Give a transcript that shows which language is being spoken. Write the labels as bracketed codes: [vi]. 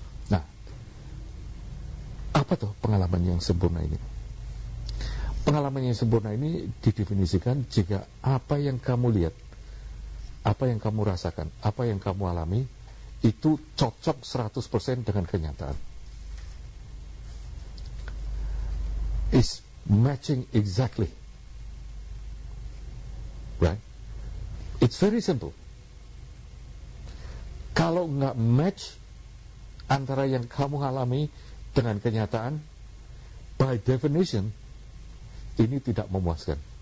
[id] Nah, apa tuh pengalaman yang sempurna ini? Pengalaman yang sempurna ini didefinisikan jika apa yang kamu lihat, apa yang kamu rasakan, apa yang kamu alami itu cocok 100% dengan kenyataan. [en] Is matching exactly, right? It's very simple. [id] Kalau enggak match antara yang kamu alami dengan kenyataan, by definition ini tidak memuaskan.